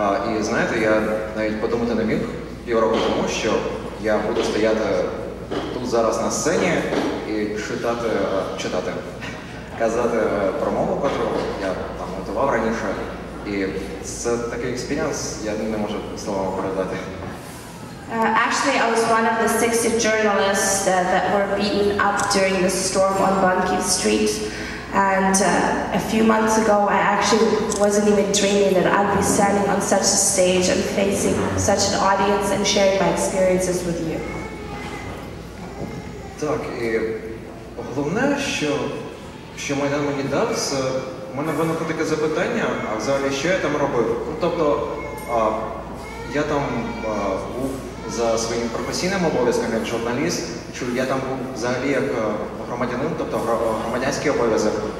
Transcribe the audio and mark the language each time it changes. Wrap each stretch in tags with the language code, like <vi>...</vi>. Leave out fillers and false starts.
<uk>І знаєте, я навіть подумати не міг півроку тому, що я буду стояти тут зараз на сцені і читати. Казати промову, яку я там готував раніше, і це такий експеріенс, я не можу словами передати.</uk> <en>Actually, I was one of the 60 journalists that were beaten up during the storm on Bankiv Street. And a few months ago, I actually wasn't even dreaming that I'd be standing on such a stage and facing such an audience and sharing my experiences with you.</en> <uk>Так, і головне, що що Майдан мені дав, це у мене виникло таке запитання, а взагалі, що я там робив? Ну, тобто, я там був за своїм професійним обов'язком як журналіст, чи я там був взагалі як громадянин, тобто громадянський обов'язок.</uk>